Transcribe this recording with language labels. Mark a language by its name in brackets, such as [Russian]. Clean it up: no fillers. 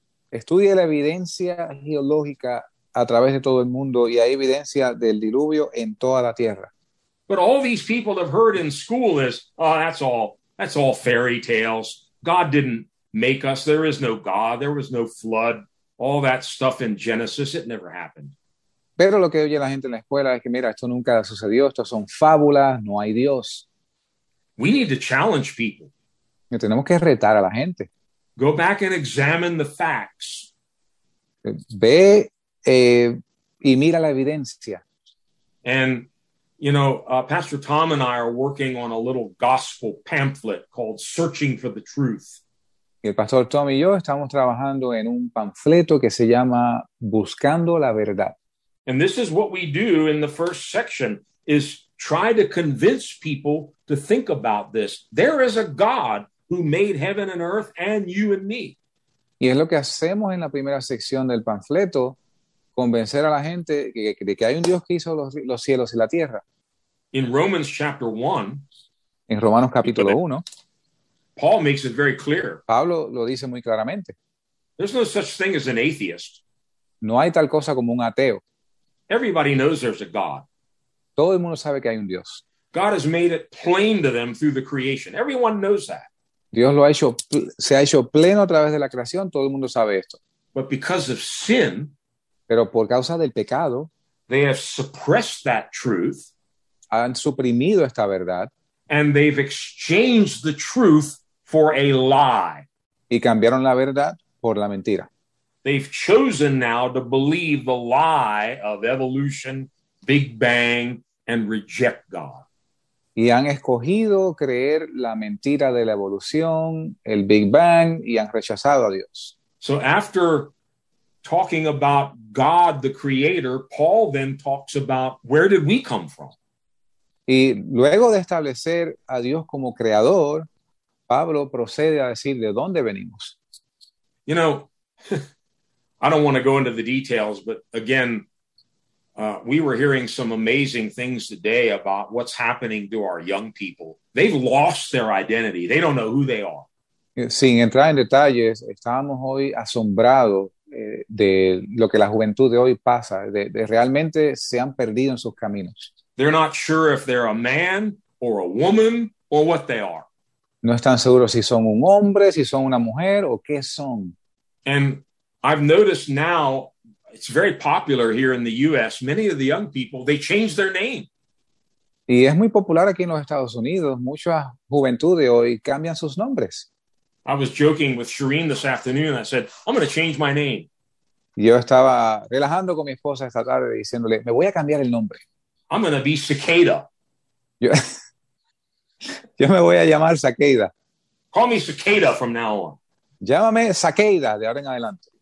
[Spanish] estudia la evidencia geológica a través de todo el mundo y hay evidencia del diluvio en toda la tierra. [English] But all these people have heard in school is, oh, that's all fairy tales. God didn't make us. There is no God. There was no flood. All that stuff in Genesis, it never happened. [Spanish] Pero lo que oye la gente en la escuela es que, mira, esto nunca sucedió, esto son fábulas, no hay Dios. [English] We need to challenge people. [Spanish] Y tenemos que retar a la gente. [English] Go back and examine the facts. [Spanish] Ve y mira la evidencia. [English] And, Pastor Tom and I are working on a little gospel pamphlet called Searching for the Truth. [Spanish] Y el Pastor Tom y yo estamos trabajando en un panfleto que se llama Buscando la Verdad. [English] And this is what we do in the first section, is try to convince people to think about this. There is a God who made heaven and earth and you and me. [Spanish] Y es lo que hacemos en la primera sección del panfleto, convencer a la gente de que hay un Dios que hizo los cielos y la tierra. [English] In Romans chapter 1, [Spanish] en Romanos capítulo 1, [English] Paul makes it very clear. [Spanish] Pablo lo dice muy claramente. [English] There's no such thing as an atheist. [Spanish] No hay tal cosa como un ateo. [English] Everybody knows there's a God. [Spanish] Todo el mundo sabe que hay un Dios. [English] God has made it plain to them through the creation. Everyone knows that. [Spanish] Dios lo ha hecho, se ha hecho pleno a través de la creación. Todo el mundo sabe esto. [English] But because of sin, [Spanish] pero por causa del pecado, [English] they have suppressed that truth. [Spanish] Han suprimido esta verdad. [English] And they've exchanged the truth for a lie. [Spanish] Y cambiaron la verdad por la mentira. [English] They've chosen now to believe the lie of evolution, Big Bang, and reject God. [Spanish] Y han escogido creer la mentira de la evolución, el Big Bang, y han rechazado a Dios. [English] So after talking about God the Creator, Paul then talks about where did we come from? [Spanish] Y luego de establecer a Dios como creador, Pablo procede a decir de dónde venimos. [English] You know, I don't want to go into the details, but again, we were hearing some amazing things today about what's happening to our young people. They've lost their identity. They don't know who they are. [Spanish] Sin entrar en detalles, estábamos hoy asombrados de lo que la juventud de hoy pasa, de realmente se han perdido en sus caminos. [English] They're not sure if they're a man or a woman or what they are. [Spanish] No están seguros si son un hombre, si son una mujer o qué son. [English] And I've noticed now, it's very popular here in the U.S., many of the young people, they change their name. [Spanish] Y es muy popular aquí en los Estados Unidos, mucha juventud de hoy cambian sus nombres. [English] I was joking with Shireen this afternoon. I said, I'm going to change my name. [Spanish] Yo estaba relajando con mi esposa esta tarde diciéndole, me voy a cambiar el nombre. [English] I'm going to be Cicada. [Spanish] Yo me voy a llamar Cicada. [English] Call me Cicada from now on. [Spanish] Llámame Cicada de ahora en adelante.